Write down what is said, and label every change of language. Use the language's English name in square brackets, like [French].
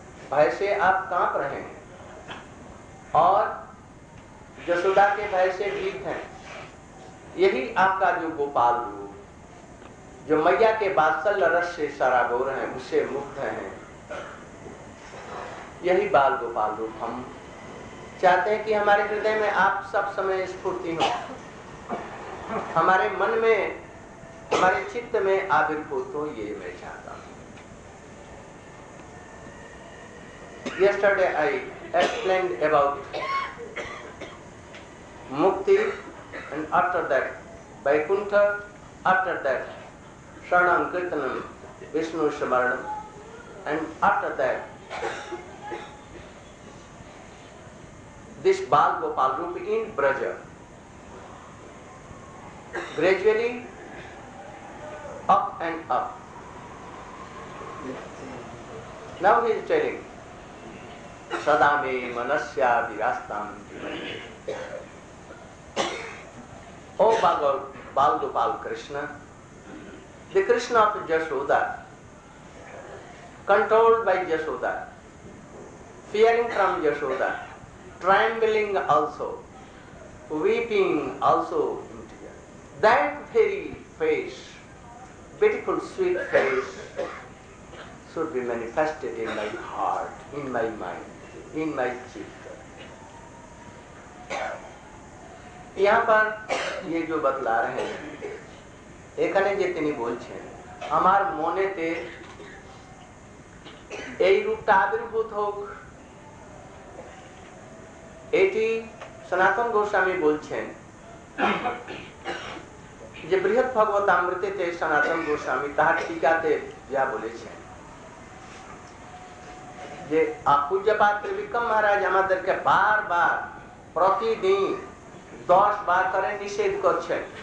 [Hindi] ভয় সে আপ কাঁপ রহে হ্যাঁ আর যশোদা কে ভয় সে ভীত হ্যাঁ, এই আপকা যে গোপাল রূপ जो मैया के बात्सल्य रस से सरागोर हैं, उससे मुक्त हैं, यही बाल गोपाल रूप हम चाहते हैं कि हमारे हृदय में आप सब समय स्फूर्ति हो, हमारे मन में हमारे चित्त में आविर्भूत हो, ये मैं चाहता हूं। [English] Yesterday I explain about mukti and after that Vaikuntha, after that sharanam kirtanam Vishnu smaranam and after that this Bal Gopal rupa in Braj, gradually up and up. Now he is telling [Sanskrit] सदा मे मनस्या विरास्ताम [English] ओ Bal Gopal Krishna, the Krishna of Yashoda, controlled by Yashoda, fearing from Yashoda, trembling also, weeping also, that very face, beautiful sweet face, should be manifested in my heart, in my mind, in my chitta. [Hindi] यहाँ पर ये जो बतला रहे हैं [Bangla] এখানে যে তিনি বলছেন আমার মনেতে এই রূপটা আবির্ভূত হোক, এটি সনাতন গোস্বামী বলছেন যে বৃহৎ ভগবতামৃতেতে সনাতন গোস্বামী তাহার টিকাতে যা বলেছেন যে পূজ্যপাদ ত্রিবিক্রম মহারাজ আমাদেরকে বারবার প্রতিদিন 10 বার করে নিষেধ করছেন